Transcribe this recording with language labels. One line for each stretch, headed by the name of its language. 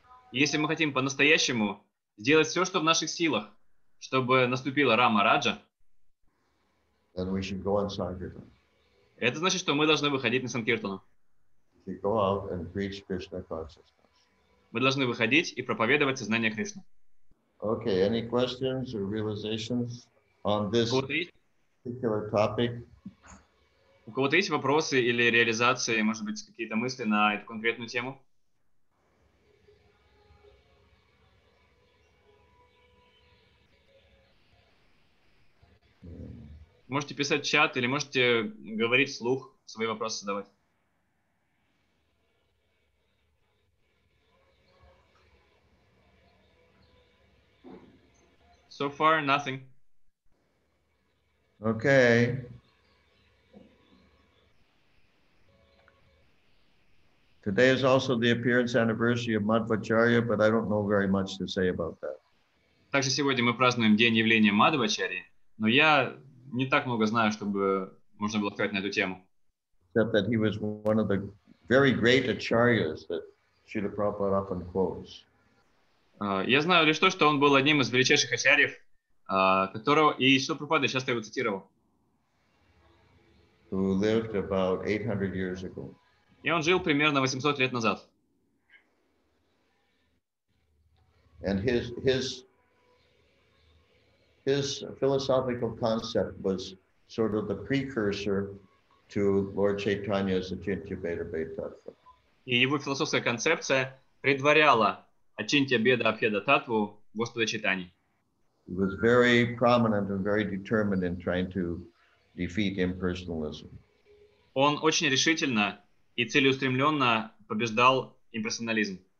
Russian: Если мы хотим по-настоящему сделать все, что в наших силах, чтобы наступила Рамараджа,
English: then we should go on Sankirtan.
Russian: Это значит, что мы должны выходить на Санкиртану.
English: We should go out and preach Krishna consciousness.
Russian: Мы должны выходить и проповедовать сознание Кришны.
English: Okay, any questions or realizations on this particular topic?
Russian: У кого-то есть вопросы или реализации, может быть, какие-то мысли на эту конкретную тему? Можете писать в чат или можете говорить вслух, свои вопросы задавать.
English: So far, nothing. Okay. Today is also the appearance anniversary of Madhvacharya, but I don't know very much to say about that.
Russian: Также сегодня мы празднуем день явления Мадхвачарьи, но я не так много знаю, чтобы можно было сказать на эту тему.
English: Except that he was one of the very great acharyas that Srila Prabhupada often quotes.
Russian: Я знаю лишь то, что он был одним из величайших ачарьев, которого и Шрила Прабхупада часто его цитировал.
English: Who lived about 800 years ago.
Russian: И он жил примерно 800 лет назад.
English: And his philosophical concept was sort of the precursor to Lord Chaitanya's Achintya Bheda Tattva.
Russian: И его философская концепция предваряла Ачинтья Бхеда Абхеда Таттву Господа Чайтаньи.
English: He was very prominent and very determined in trying to defeat impersonalism.
Russian: Он очень решительно и целеустремленно побеждал имперсонализм.